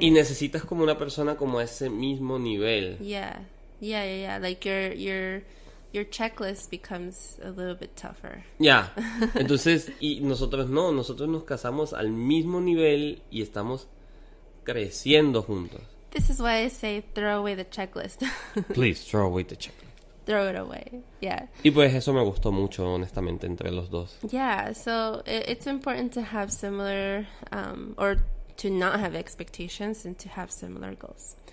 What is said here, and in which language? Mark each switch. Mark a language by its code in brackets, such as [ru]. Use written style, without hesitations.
[es] Y necesitas como una persona como a ese mismo nivel. [en] Yeah. Like you're... Your checklist becomes a little bit tougher. [es] Yeah. Entonces, y nosotros no. Nosotros nos casamos al mismo nivel y estamos creciendo juntos. [en] This is why I say throw away the checklist. Please, throw away the checklist. Throw it away. Yeah. [es] Y pues eso me gustó mucho, honestamente, entre los dos. [en] Yeah. So, it's important to have similar... or to not have expectations and to have similar goals.